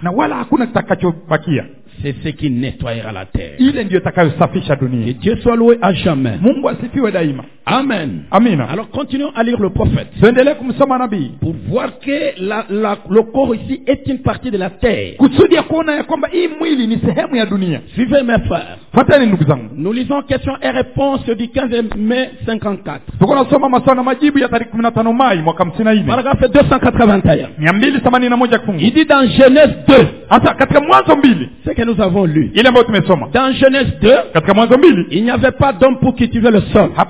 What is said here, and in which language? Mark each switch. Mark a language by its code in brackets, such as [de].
[sw] Na wala hakuna kitakachobakia. [fr] C'est ce qui nettoiera la terre. [sw] Ile ndio itakayosafisha dunia. [fr] Que Dieu soit loué à jamais. [sw] Mungu asifiwe daima. Amen. Amina. [fr] Alors continuons à lire le prophète. [sw] Tuendelee kumsoma nabii. [fr] Pour voir que le corps ici est une partie de la terre. [sw] Kusudi ya kuona ya kwamba hii mwili ni sehemu ya dunia. [fr] Suivez mes frères. [sw] Fuateni ndugu zangu. [fr] Nous lisons question et réponse du 15 mai 54. [sw] Tuko nasoma maswali na majibu ya tarehe 15 Mai mwaka 54. [fr] Paragraphe 281. [sw] 281 kufungu. [fr] Il dit dans Genèse 2. [sw] Hata katika Mwanzo 2. [fr] Que nous avons lu. Il est mort, mais somme. Dans Genèse 2, il n'y avait pas d'homme pour cultiver le sol.